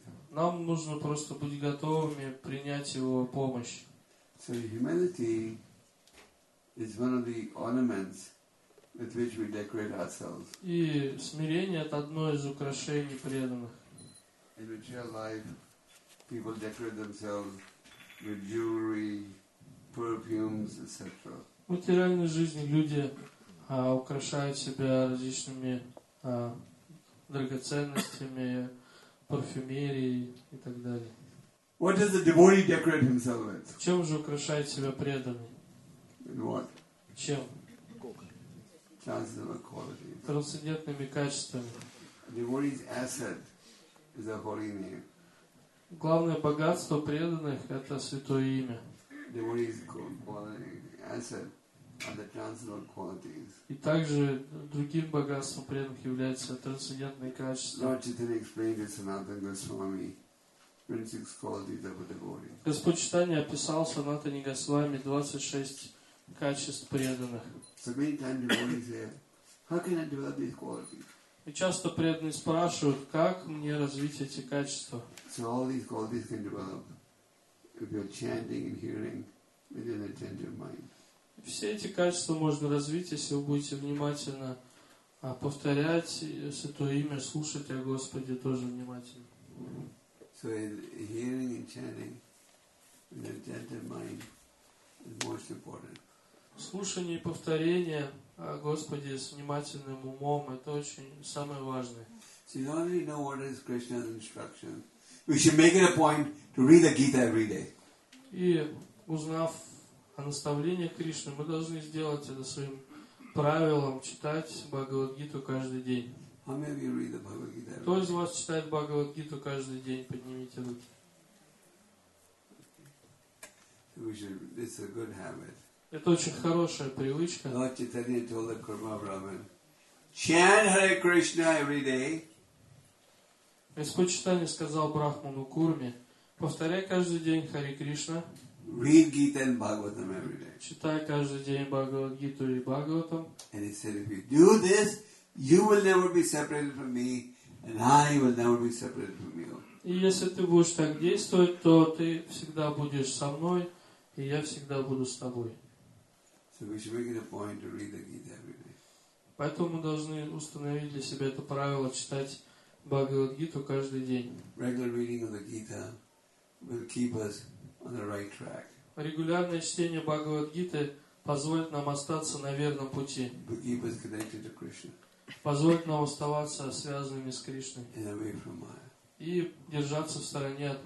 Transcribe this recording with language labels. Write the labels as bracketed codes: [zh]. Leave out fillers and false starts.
[ru] Нам нужно просто быть готовыми принять его помощь. [en] So humility is one of the ornaments with which we decorate ourselves. [ru] И смирение — это одно из украшений преданных. [en] In material life, people decorate themselves with jewelry, perfumes, etc. [ru] В материальной жизни люди украшают себя различными драгоценностями, парфюмерией и так далее. [en] What does the devotee decorate himself with? [ru] Чем же украшает себя преданный? [en] In what? [ru] Чем? [en] Transcendental qualities. [ru] Трансцендентными качествами. [en] A devotee's asset is a holy name. [ru] Главное богатство преданных – это святое имя. [en] Devotee's asset are the transcendental qualities. [ru] И также другим богатством преданных является трансцендентные качества. [en] Lord Chaitanya explained it to Sanatana Goswami. Six qualities of a devotee. [ru] Господь Читания описал Санатани Госвами 26 качеств преданных. [en] So many times devotees say, how can I develop these qualities? [ru] И часто преданные спрашивают, как мне развить эти качества. [en] So all these qualities can develop if you're chanting and hearing with an attentive mind. [ru] Все эти качества можно развить, если вы будете внимательно повторять Святое Имя, слушать о Господе тоже внимательно. [en] So in hearing and chanting with an attentive mind is most important. [ru] Слушание и повторение о Господе с внимательным умом – это очень самое важное. [en] So you don't really know what is Krishna's instruction. We should make it a point to read the Gita every day. [ru] И узнав о наставлении Кришны, мы должны сделать это своим правилом – читать Бхагавад-гиту каждый день. [en] How many of you read the Bhagavad Gita? [ru] Кто из вас читает Бхагавад Гиту каждый день? Поднимите руки. [en] Okay. We should, it's a good habit. [ru] Это очень хорошая привычка. [en] Lord Chaitanya told the Kurma Brahman, chant Hare Krishna every day. [ru] Господь Читание сказал Брахману Курме, повторяй каждый день Хари Кришна. [en] Read Gita and Bhagavatam every day. [ru] Читай каждый день Бхагавад Гиту и Бхагаватам. [en] And he said, if you do this, you will never be separated from me, and I will never be separated from you. [ru] И если ты будешь так действовать, то ты всегда будешь со мной, и я всегда буду с тобой. [en] So we should make it a point to read the Gita every day. [ru] Поэтому мы должны установить для себя это правило читать Бхагавад Гиту каждый день. [en] Regular reading of the Gita will keep us on the right track. [ru] Регулярное чтение Бхагавад Гиты позволит нам остаться на верном пути. [en] Will keep us connected to Krishna. [ru] Позволит нам оставаться связанными с Кришной и держаться в стороне от